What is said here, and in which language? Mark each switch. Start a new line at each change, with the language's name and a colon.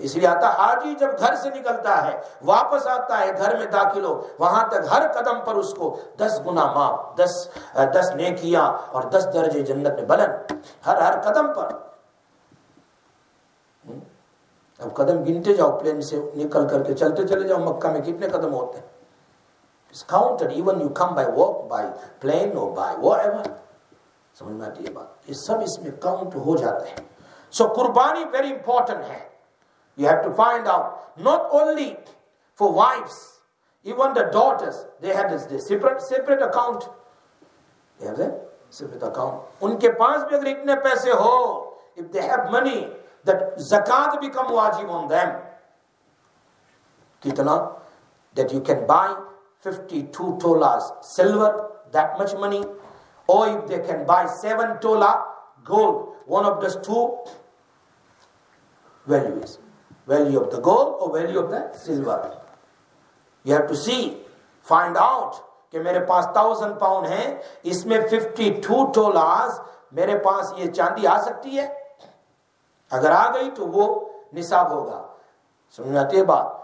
Urdu: اس لیے آتا حاجی جب گھر سے نکلتا ہے واپس آتا ہے گھر میں داخل ہو وہاں تک ہر قدم پر اس کو 10 گنا معاف, 10 نیکیاں اور 10 درجے جنت میں بلند, ہر قدم پر. اب قدم گنتے جاؤ, پلین سے نکل کر کے چلتے چلے جاؤ مکہ میں, کتنے قدم ہوتے ہیں.
English: It's counted even you come by walk, by plane or by whatever.
Urdu: سمجھنا چاہیے بات, یہ سب اس میں کاؤنٹ ہو جاتے ہیں. سو قربانی ویری امپورٹنٹ ہے.
English: You have to find out not only for wives, even the daughters they have this separate account, they have separate account.
Urdu: ان کے پاس بھی اگر اتنے پیسے ہو,
English: If they have money, that zakat become wajib on them. Kitna? That you can buy 52 tolas silver, that much money. Or if they can buy 7 tola gold, one of those two values. Value of the gold or value of the silver. You have to see, find out,
Urdu: کہ میرے پاس 1000 pound ہیں, اس میں 52 tolas, میرے پاس یہ چاندی آ سکتی ہے؟ اگر آ گئی تو وہ نصاب ہوگا, سمجھاتے بات.